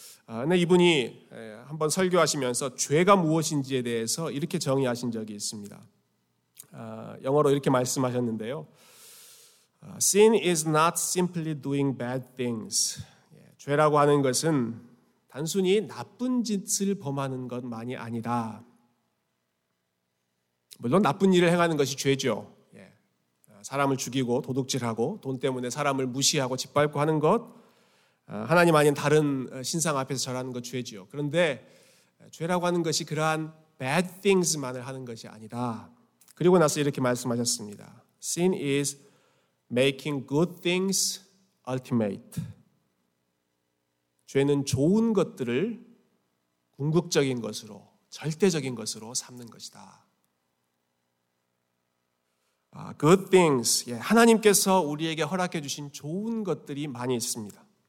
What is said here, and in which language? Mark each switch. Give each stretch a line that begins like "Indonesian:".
Korean: 근데 이분이 한번 설교하시면서 죄가 무엇인지에 대해서 이렇게 정의하신 적이 있습니다. 영어로 이렇게 말씀하셨는데요.
English: Sin is not simply doing bad things.
Korean: 예, 죄라고 하는 것은 단순히 나쁜 짓을 범하는 것만이 아니다. 물론 나쁜 일을 행하는 것이 죄죠. 예, 사람을 죽이고 도둑질하고 돈 때문에 사람을 무시하고 짓밟고 하는 것, 하나님 아닌 다른 신상 앞에서 절하는 것 죄죠. 그런데 죄라고 하는 것이 그러한
English: bad things
Korean: 만을 하는 것이 아니다. 그리고 나서 이렇게 말씀하셨습니다.
English: Sin is making good things ultimate.
Korean: 죄는 좋은 것들을 궁극적인 것으로, 절대적인 것으로 삼는 것이다.
English: Good things,
Korean: 예, 하나님께서 우리에게 허락해 주신 좋은 것들이 많이 있습니다.